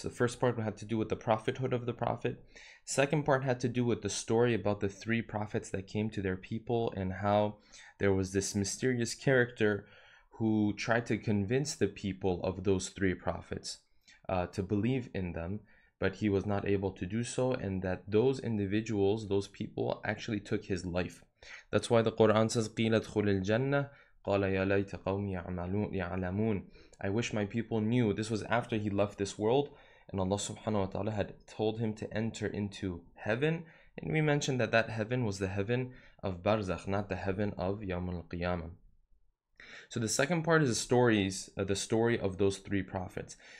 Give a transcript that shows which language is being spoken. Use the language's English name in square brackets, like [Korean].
[English] The first part had to do with the prophethood of the prophet. Second part had to do with the story about the three prophets that came to their people and how there was this mysterious character who tried to convince the people of those three prophets to believe in them, but he was not able to do so, and that those individuals, those people, actually took his life. That's why the Quran says, [Arabic] قِيلَ ادْخُلِ الْجَنَّةِ قَالَ يَا لَيْتَ قَوْمِ يَعْلَمُونَ. [English] I wish my people knew. This was after he left this world, and Allah subhanahu wa ta'ala had told him to enter into heaven. And we mentioned that that heaven was the heaven of Barzakh, not the heaven of Yawm al-Qiyamah. So the second part is the story of those three prophets.